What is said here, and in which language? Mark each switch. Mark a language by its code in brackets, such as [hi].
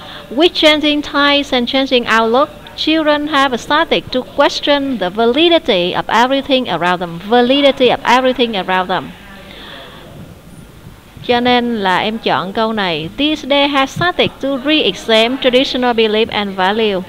[en] With changing times and changing outlook, children have started to question the validity of everything around them. Validity of everything around them. [vi] Cho nên là em chọn câu này. [en] This day has started to re-examine traditional belief and value.